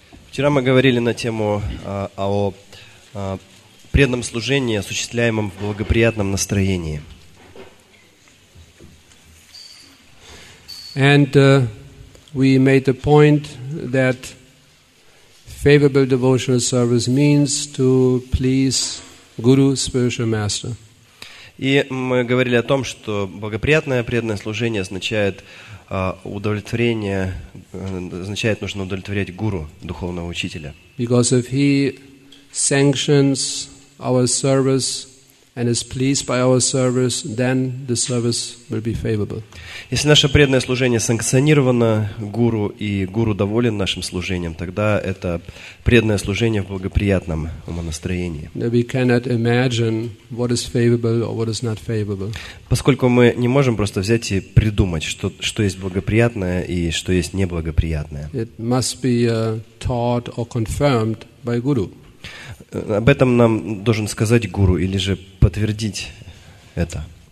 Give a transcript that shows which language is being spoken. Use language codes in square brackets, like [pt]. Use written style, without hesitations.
[ru] Вчера мы говорили на тему о преданном служении, осуществляемом в благоприятном настроении. [en] And we made the point that favorable devotional service means to please Guru, spiritual master. [ru] И мы говорили о том, что благоприятное преданное служение означает удовлетворение, означает, нужно удовлетворять гуру, духовного учителя. [en] Because if he sanctions our service and is pleased by our service, then the service will be favorable. [ru] Если наше преданное служение санкционировано гуру и гуру доволен нашим служением, тогда это преданное служение в благоприятном умонастроении. [en] We cannot imagine what is favorable or what is not favorable. [ru] Поскольку мы не можем просто взять и придумать, что есть благоприятное и что есть неблагоприятное. [en] It must be taught or confirmed by guru. [ru] Об этом нам должен сказать гуру или же подтвердить это.